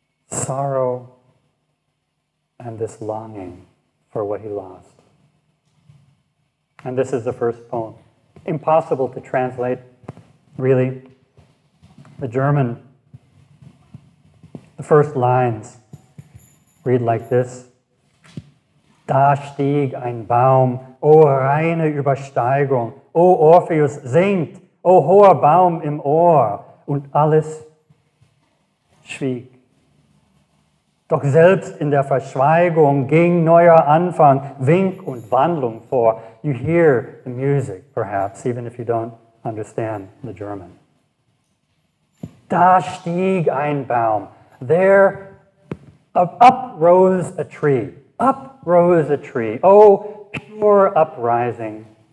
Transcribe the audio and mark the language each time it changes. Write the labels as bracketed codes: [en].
[en] sorrow and this longing for what he lost. And this is the first poem. Impossible to translate, really. The German, the first lines read like this. [de] Da stieg ein Baum, o reine Übersteigung, o Orpheus singt, o hoher Baum im Ohr, und alles schwieg. Doch selbst in der Verschweigung ging neuer Anfang, Wink und Wandlung vor. [en] You hear the music, perhaps, even if you don't understand the German. [de] Da stieg ein Baum. [en] There up rose a tree. Up rose a tree. Oh, pure uprising.